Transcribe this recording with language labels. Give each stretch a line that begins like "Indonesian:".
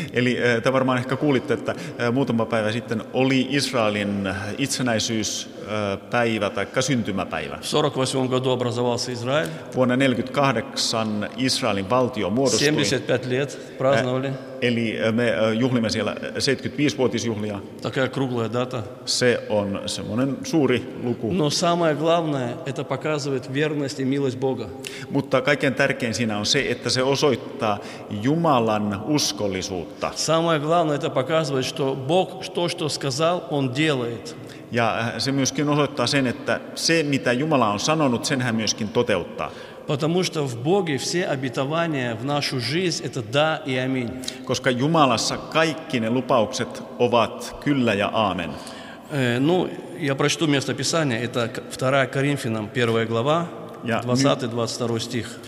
Finnish: Eli te varmaan ehkä kuulitte, että muutama päivä sitten oli Israelin itsenäisyyspäivä tai syntymäpäivä.
Russian: 48 году образовался Израиль.
Finnish: Vuonna 48 Israelin valtio muodostui.
Russian: 75 лет праздновали.
Finnish: Eli me juhlimme siellä 75-vuotisjuhlia.
Russian: Такая круглая дата.
Finnish: Se on semmoinen suuri luku.
Russian: Но самое главное, это показывает верность и милость Бога.
Finnish: Mutta kaikkein tärkein siinä on se, että se osoittaa Jumalan uskollisuutta.
Russian: Самое главное, это показывает, что Бог то, что сказал, он делает.
Finnish: Ja se myöskin osoittaa sen, että se, mitä Jumala on sanonut, sen hän myöskin toteuttaa.
Russian: Потому что в Боге все обетования в нашу жизнь это да и аминь.
Finnish: Koska Jumalassa kaikki ne lupaukset ovat kyllä ja aamen.
Russian: Ну, я прочту место Писания, это 2 Коринфянам 1 глава, 20-22 стих.